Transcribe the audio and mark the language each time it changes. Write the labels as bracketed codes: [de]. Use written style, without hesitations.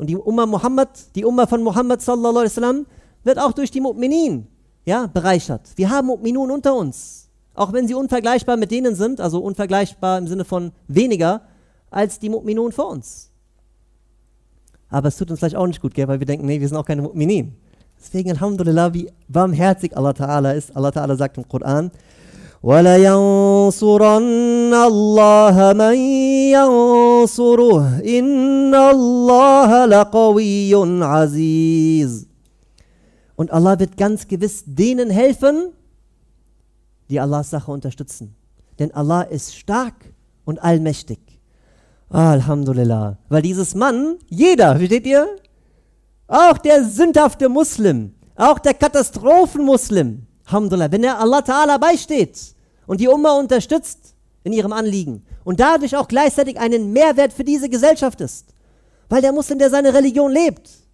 [de] Und die Umma von Muhammad sallallahu alaihi wasallam wird auch durch die Mu'minin ja, bereichert. Wir haben Mu'minun unter uns. Auch wenn sie unvergleichbar mit denen sind, also unvergleichbar im Sinne von weniger, als die Mu'minun vor uns. Aber es tut uns vielleicht auch nicht gut, gell? Weil wir denken, nee, wir sind auch keine Mu'minin. Deswegen, Alhamdulillah, wie barmherzig Allah Ta'ala ist. Allah Ta'ala sagt im Koran, [ar] وَلَيَنْصُرَنَّ اللَّهَ مَنْ يَنْصُرُهُ إِنَّ اللَّهَ لَقَوِيٌّ عَزِيزٌ. [de] Und Allah wird ganz gewiss denen helfen, die Allahs Sache unterstützen. Denn Allah ist stark und allmächtig. Ah, Alhamdulillah. Weil dieses Mann, jeder, versteht ihr? Auch der sündhafte Muslim, auch der Katastrophenmuslim, Alhamdulillah, wenn er Allah Ta'ala beisteht und die Ummah unterstützt in ihrem Anliegen und dadurch auch gleichzeitig einen Mehrwert für diese Gesellschaft ist, weil der Muslim, der seine Religion lebt,